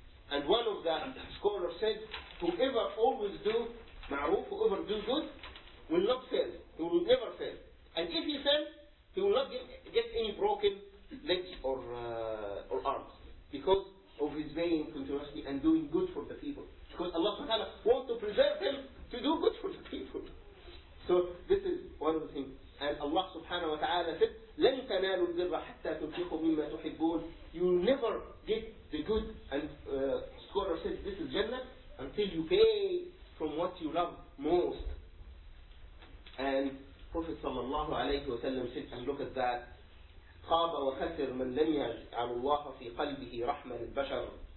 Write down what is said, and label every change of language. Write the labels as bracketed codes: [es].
[en] And one of the scholars said, whoever always do ma'roof, whoever do good, will not fail. He will never fail. And if he fails, he will not get any broken legs or arms because of his being continuously and doing good for the people. Because Allah subhanahu wa ta'ala wants to preserve him to do good for the people. So this is one of the things. And Allah subhanahu wa ta'ala said, [ar] لَن تَنَالُوا الْبِرَّ حَتَّى تُنْفِقُوا مِمَّا تُحِبُّونَ. [en] You will never get the good. And scholar said, this is Jannah, until you pay from what you love most. And Prophet sallallahu alayhi wa sallam said, and look at that, [ar] خَابَ وَخَسِرْ مَنْ لَنْ يَعْلُ اللَّهَ فِي قَلْبِهِ رَحْمَ الْبَشَرُ.